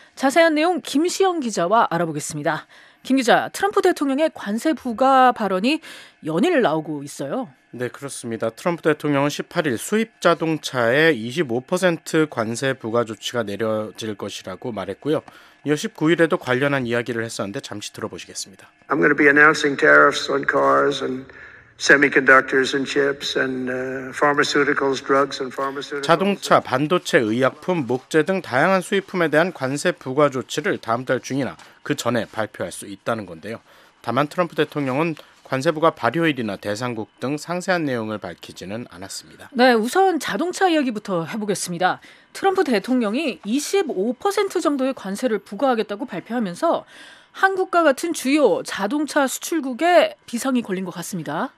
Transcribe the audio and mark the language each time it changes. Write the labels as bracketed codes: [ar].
[ko] 자세한 내용 김시영 기자와 알아보겠습니다. 김 기자, 트럼프 대통령의 관세 부과 발언이 연일 나오고 있어요. 네, 그렇습니다. 트럼프 대통령은 18일 수입 자동차에 25% 관세 부과 조치가 내려질 것이라고 말했고요. 이어 19일에도 관련한 이야기를 했었는데 잠시 들어보시겠습니다. [en] I'm going to be announcing tariffs on cars and semiconductors and chips and pharmaceuticals, drugs and pharmaceuticals. [ko] 자동차, 반도체, 의약품, 목재 등 다양한 수입품에 대한 관세 부과 조치를 다음 달 중이나 그 전에 발표할 수 있다는 건데요. 다만 트럼프 대통령은 관세부가 발효일이나 대상국 등 상세한 내용을 밝히지는 않았습니다. 네, 우선 자동차 이야기부터 해보겠습니다. 트럼프 대통령이 25% 정도의 관세를 부과하겠다고 발표하면서 한국과 같은 주요 자동차 수출국에 비상이 걸린 것 같습니다.